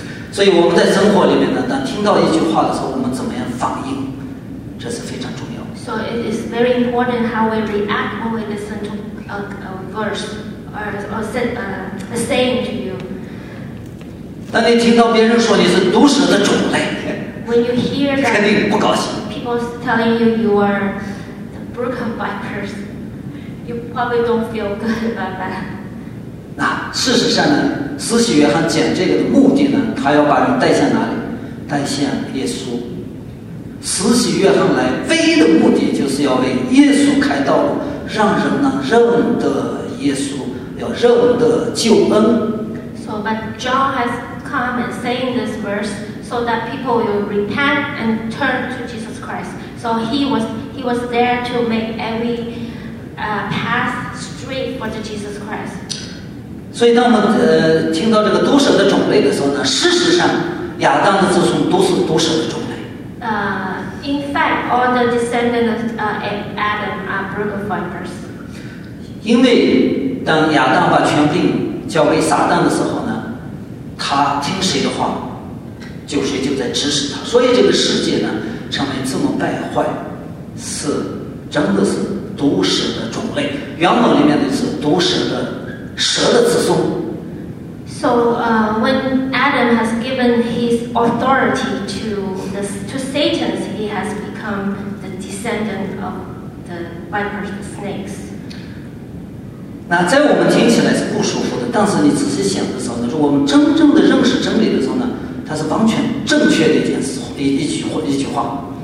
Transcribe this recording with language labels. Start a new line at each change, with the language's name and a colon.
Chinese: 所以我们在生活里面呢，当听到一句话的时候，我们怎么样反应，这是非常重要。
English: So it is very important how we react when we listen to a verse or a saying to you.
Chinese: 当你听到别人说你是毒蛇的种类
English: ，When you hear that,
Chinese: 肯定不高兴。
English: People telling you you are the broken vipers, you probably don't feel good about that.
Chinese: 那事实上呢，慈禧约翰讲这个的目的呢，他要把人带向哪里？带向耶稣。慈禧月上来唯一的目的就是要为耶稣开道路，让人能认得耶稣，要认得救恩。
English: So, but John has come and saying this verse so that people will repent and turn to Jesus Christ. So he was there to make every path straight for the Jesus Christ.
Chinese: 所以当我们听到这个毒蛇的种类的时候呢，事实上亚当的子孙都是毒蛇的种类。
English: In fact, all the descendants of Adam are brood vipers.
Chinese: 因为当亚当把权柄交给撒旦的时候呢，他听谁的话，就谁就在指使他，所以这个世界呢成为这么败坏，是真的是毒蛇的种类。原文里面的是毒蛇的蛇的子孙。
English: So, when Adam has given his authority to Satan, he has become the descendant of the vipers, the snakes.
Chinese: 那在我们听起来是不舒服的，但是你仔细想的时候，就是我们真正的认识真理的时候呢，它是完全正确的一件事，一句话。